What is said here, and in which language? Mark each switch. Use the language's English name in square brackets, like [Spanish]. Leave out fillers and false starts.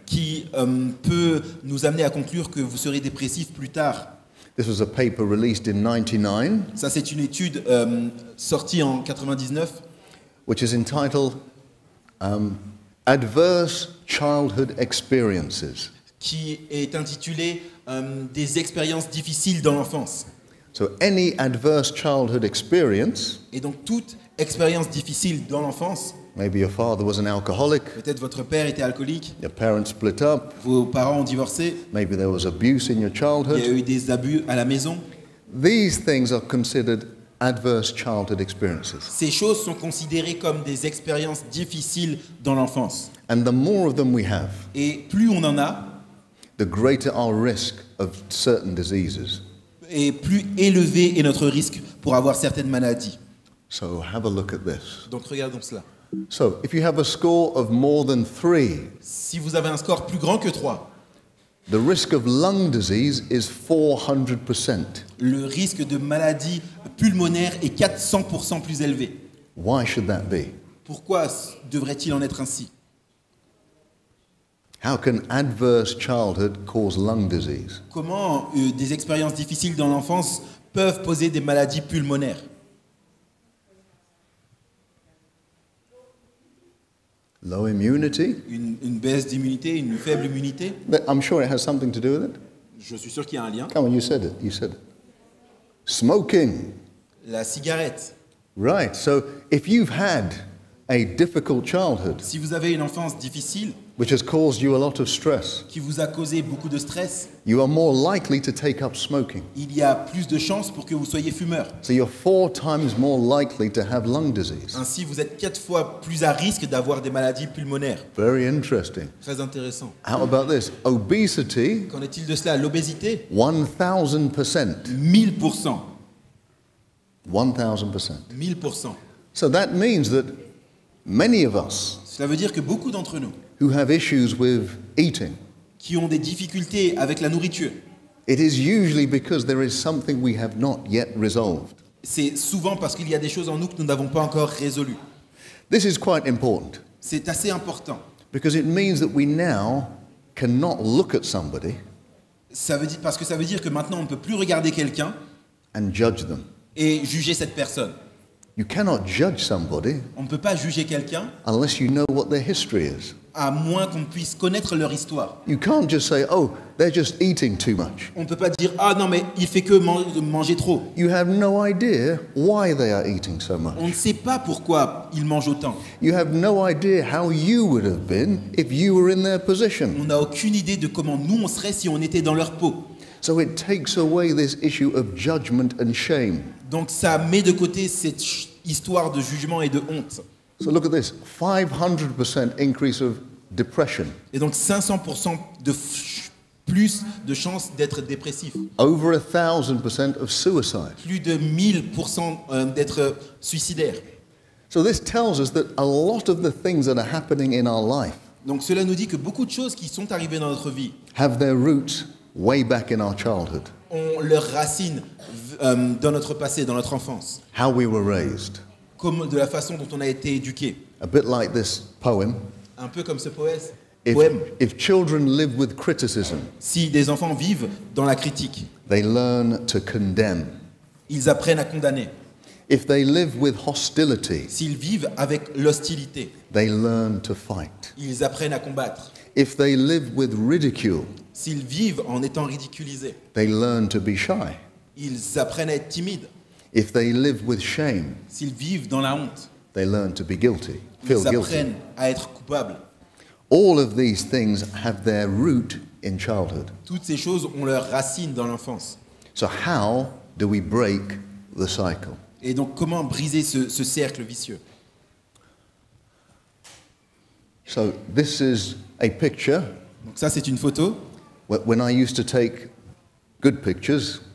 [French] Qui peut nous amener à conclure que vous serez dépressif plus tard. [English] This was a paper released in 99. [French] Ça c'est une étude sortie en 99. [English] Which is entitled Adverse Childhood Experiences. [French] Qui est intitulé des expériences difficiles dans l'enfance. [English] So any adverse childhood experience. [French] Et donc toute expérience difficile dans l'enfance. [English] Maybe your father was an alcoholic. [French] Peut-être votre père était alcoolique. [English] Your parents split up. [French] Vos parents ont divorcé. [English] Maybe there was abuse in your childhood. [French] Il y a eu des abus à la maison. [English] These things are considered adverse childhood experiences. [French] Ces choses sont considérées comme des expériences difficiles dans l'enfance. [English] And the more of them we have, [French] et plus on en a, [English] the greater our risk of certain diseases. [French] Et plus élevé est notre risque pour avoir certaines maladies. [English] So have a look at this. [French] Donc regardons cela. [English] So, if you have a score of more than 3, [French] si vous avez un score plus grand que 3, [English] the risk of lung disease is 400%. [French] Le risque de maladie pulmonaire est 400% plus élevé. [English] Why should that be? [French] Pourquoi devrait-il en être ainsi? [English] How can adverse childhood cause lung disease? [French] Comment des expériences difficiles dans l'enfance peuvent poser des maladies pulmonaires? [English] Low immunity. [French] Une baisse d'immunité, une faible immunité. [English] But I'm sure it has something to do with it. [French] Je suis sûr qu'il y a un lien. [English] Come on, you said it. You said it. Smoking. [French] La cigarette. [English] Right. So if you've had a difficult childhood, [French] si vous avez une enfance difficile, [English] which has caused you a lot of stress, [French] qui vous a causé beaucoup de stress, [English] you are more likely to take up smoking. [French] Il y a plus de chances pour que vous soyez fumeur. [English] So you're 4 times more likely to have lung disease. [French] Ainsi, vous êtes 4 fois plus à risque d'avoir des maladies pulmonaires. [English] Very interesting. [French] Très intéressant. [English] How about this? Obesity. [French] Qu'en est-il de cela? L'obésité. [English] 1000%. [French] 1000%. [English] 1000%. [French] 1000%. [English] So that means that many of us, [French] cela veut dire que beaucoup d'entre nous, [English] who have issues with eating, [French] qui ont des difficultés avec la nourriture, [English] it is usually because there is something we have not yet resolved. [French] C'est souvent parce qu'il y a des choses en nous que nous n'avons pas encore résolues. [English] This is quite important. [French] C'est assez important. [English] Because it means that we now cannot look at somebody. [French] Ça veut dire que maintenant on ne peut plus regarder quelqu'un [English] and judge them. [French] Et juger cette personne. [English] You cannot judge somebody. [French] On ne peut pas juger quelqu'un [English] unless you know what their history is. [French] À moins qu'on puisse connaître leur histoire. [English] You can't just say, oh, they're just eating too much. [French] On ne peut pas dire, ah non, mais il fait que manger trop. [English] You have no idea why they are eating so much. [French] On ne sait pas pourquoi ils mangent autant. [English] You have no idea how you would have been if you were in their position. [French] On n'a aucune idée de comment nous on serait si on était dans leur peau. [English] So it takes away this issue of judgment and shame. [French] Donc ça met de côté cette histoire de jugement et de honte. [English] So look at this, 500% increase of depression. [French] Et donc 500% de plus de chances d'être dépressif. [English] Over 1000% of suicide. [French] Plus de 1000% d'être suicidaire. [English] So this tells us that a lot of the things that are happening in our life. [French] Donc cela nous dit que beaucoup de choses qui sont arrivées dans notre vie [English] have their roots way back in our childhood. [French] Ont leurs racines dans notre passé, dans notre enfance. [English] How we were raised. [French] Comme de la façon dont on a été éduqué. [English] A bit like this poem. [French] un peu comme ce poème. [English] If children live with criticism, [French] si des enfants vivent dans la critique, [English] they learn to condemn. [French] Ils apprennent à condamner. [English] If they live with hostility, [French] s'ils vivent avec l'hostilité, [English] they learn to fight. [French] Ils apprennent à combattre. [English] If they live with ridicule, [French] s'ils vivent en étant ridiculisés, [English] they learn to be shy. [French] Ils apprennent à être timides. [English] If they live with shame, [French] s'ils vivent dans la honte, [English] they learn to be guilty, feel guilty. [French] Ils apprennent à être coupables. [English] All of these things have their root in childhood. [French] Toutes ces choses ont leurs racines dans l'enfance. [English] So how do we break the cycle? [French] Et donc comment briser ce cercle vicieux? [English] So this is a picture. [French] Donc ça c'est une photo. [English] When I used to take good pictures.